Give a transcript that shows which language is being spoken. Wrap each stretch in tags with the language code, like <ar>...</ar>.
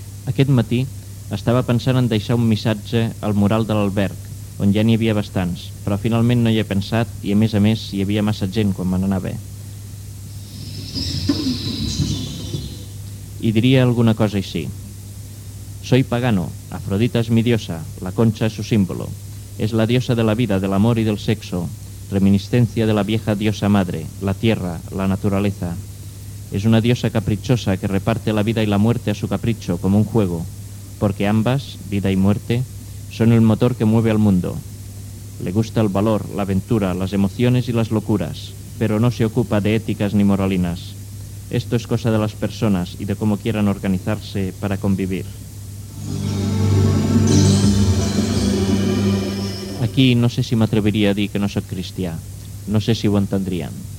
<ca>Aquest matí estava pensant en deixar un missatge al mural de l'alberg, on ja n'hi havia bastants, però finalment no hi he pensat i, a més, hi havia massa gent quan me n'anava. I diria alguna cosa així.</ca> <es>Soy pagano, Afrodita es mi diosa, la concha es su símbolo. Es la diosa de la vida, del amor y del sexo, reminiscencia de la vieja diosa madre, la tierra, la naturaleza. Es una diosa caprichosa que reparte la vida y la muerte a su capricho como un juego, porque ambas, vida y muerte, son el motor que mueve al mundo. Le gusta el valor, la aventura, las emociones y las locuras, pero no se ocupa de éticas ni moralinas. Esto es cosa de las personas y de cómo quieran organizarse para convivir.</es> <ca>Aquí no sé si m'atreviria a dir que no sóc cristià. No sé si ho entendrien.</ca>